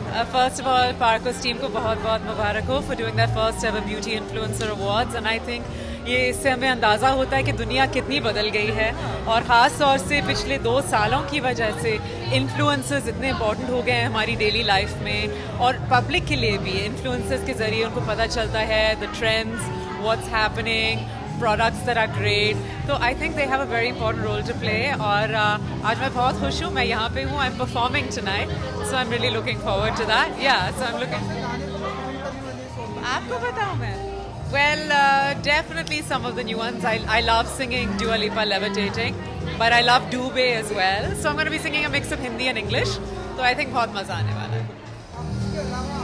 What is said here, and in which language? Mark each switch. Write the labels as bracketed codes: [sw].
[hi] First of all, Parcos team को बहुत बहुत मुबारक हो [en] for doing their first ever beauty influencer awards, and I think [hi] ये इससे हमें अंदाज़ा होता है कि दुनिया कितनी बदल गई है और ख़ास तौर से पिछले 2 सालों की वजह से influencers इतने important हो गए हैं हमारी daily life में और public के लिए भी. Influencers के ज़रिए उनको पता चलता है [en] the trends, what's happening, products that are great. So I think they have a very important role to play. [hi] And आज मैं बहुत ख़ुश हूँ, मैं यहाँ पे हूँ, [en] I'm performing tonight. So I'm really looking forward to that. Yeah, so I'm looking. [hi] आपको बताऊँ मैं. [en] Well, definitely some of the new ones. I love singing Dua Lipa Levitating, but I love Dubey as well. So I'm going to be singing a mix of Hindi and English. So I think [hi] बहुत मज़ा आने वाला है.